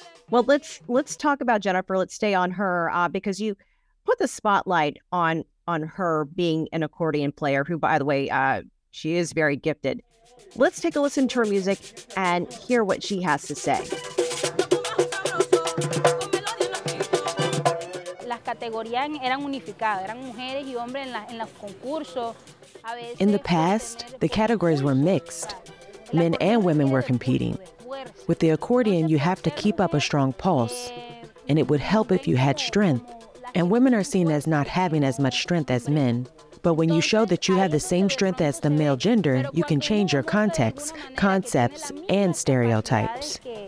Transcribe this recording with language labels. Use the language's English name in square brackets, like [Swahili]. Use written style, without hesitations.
[English] Well, let's talk about Jennifer. Let's stay on her, because you put the spotlight on her being an accordion player, who, by the way, she is very gifted. Let's take a listen to her music and hear what she has to say. [Spanish] Las categorías eran unificadas, eran mujeres y hombres en los concursos. [English] In the past, the categories were mixed. Men and women were competing. With the accordion, you have to keep up a strong pulse, and it would help if you had strength. And women are seen as not having as much strength as men. But when you show that you have the same strength as the male gender, you can change your context, concepts, and stereotypes.